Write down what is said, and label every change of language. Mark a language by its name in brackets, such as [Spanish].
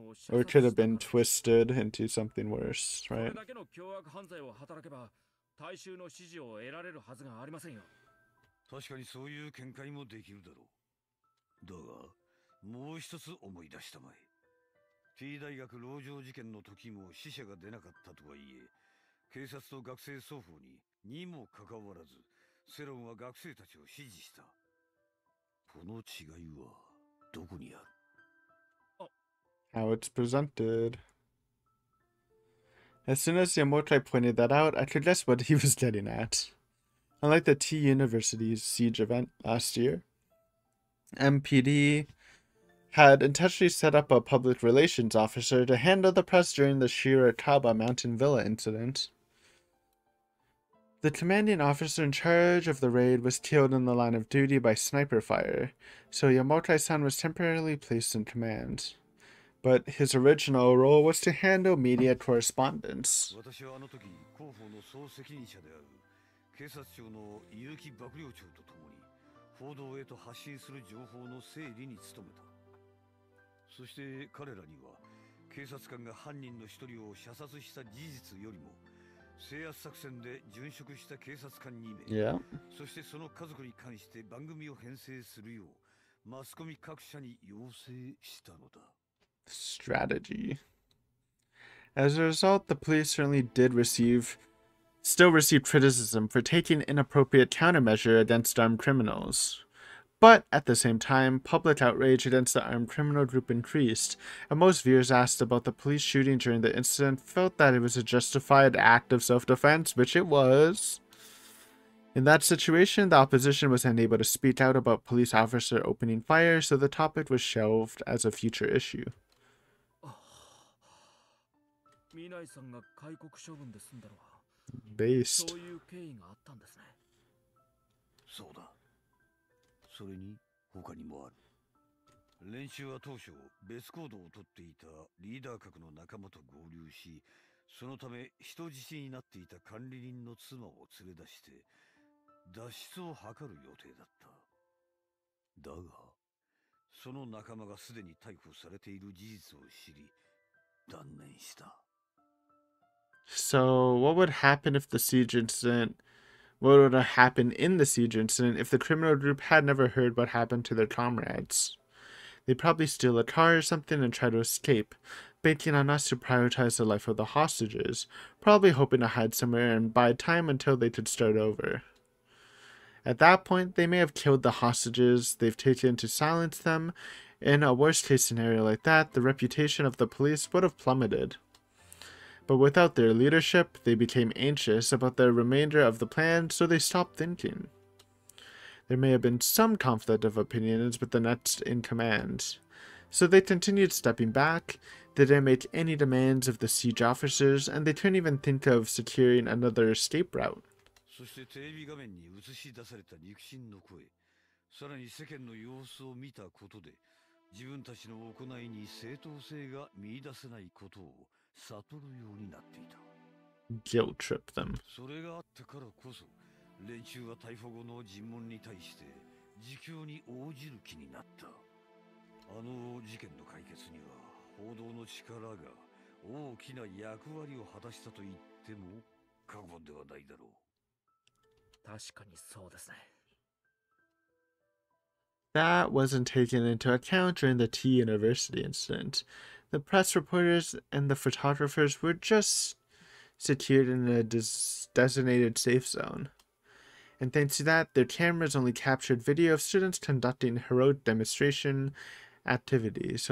[English] Or it could have been twisted into something worse, right? [Japanese] それだけの凶悪犯罪を働けば大衆の支持を得られるはずがありませんよ。確かにそういう見解もできるだろう。だが、もう一つ思い出したまえ。 T 大学籠城事件の時も死者が出なかったとはいえ、警察と学生双方ににもかかわらず、セロンは学生たちを支持した。この違いはどこにある？ [English] あ、How it's presented. As soon as Yamokai pointed that out, I could guess what he was getting at. Unlike the T University's siege event last year, MPD had intentionally set up a public relations officer to handle the press during the Shirakaba Mountain Villa incident. The commanding officer in charge of the raid was killed in the line of duty by sniper fire, so Yamokai-san was temporarily placed in command. But his original role was to handle media correspondence. [Japanese] 私はあの時、広報の総責任者である警察庁の有機幕僚長と共に、報道へと発信する情報の整理に努めた。そして彼らには、警察官が犯人の一人を射殺した事実よりも、制圧作戦で殉職した警察官2名、 [English] yeah. [Japanese] そしてその家族に関して番組を編成するよう、マスコミ各社に要請したのだ。 [English] Strategy. As a result, the police certainly did still receive criticism for taking inappropriate countermeasure against armed criminals. But at the same time, public outrage against the armed criminal group increased, and most viewers asked about the police shooting during the incident felt that it was a justified act of self-defense, which it was. In that situation, the opposition was unable to speak out about police officer opening fire, so the topic was shelved as a future issue. [Japanese] ミナイさんが戒告処分で済んだのは、 [English] Based. [Japanese] そういう経緯があったんですね。そうだ。それに他にもある。練習は当初別行動をとっていたリーダー格の仲間と合流し、そのため人質になっていた管理人の妻を連れ出して脱出を図る予定だった。だが、その仲間がすでに逮捕されている事実を知り、断念した。 [English] So, what would happen if the siege incident, what would have happened in the siege incident if the criminal group had never heard what happened to their comrades? They'd probably steal a car or something and try to escape, banking on us to prioritize the life of the hostages, probably hoping to hide somewhere and buy time until they could start over. At that point, they may have killed the hostages they've taken to silence them. In a worst-case scenario like that, the reputation of the police would have plummeted. But without their leadership, they became anxious about the remainder of the plan, so they stopped thinking. There may have been some conflict of opinions with the next in command. So they continued stepping back, they didn't make any demands of the siege officers, and they couldn't even think of securing another escape route. [Japanese] そしてテレビ画面に映し出された肉親の声、さらに世間の様子を見たことで、自分たちの行いに正当性が見出せないことを、悟るようになっていた。 [English] Guilt trip them. [Japanese] それがあったからこそ、連中は逮捕後の尋問に対して自求に応じる気になった。あの事件の解決には報道の力が大きな役割を果たしたと言っても過言ではないだろう。確かにそうですね。 [English] That wasn't taken into account during the T University incident. The press reporters and the photographers were just secured in a designated safe zone. And thanks to that, their cameras only captured video of students conducting heroic demonstration activities.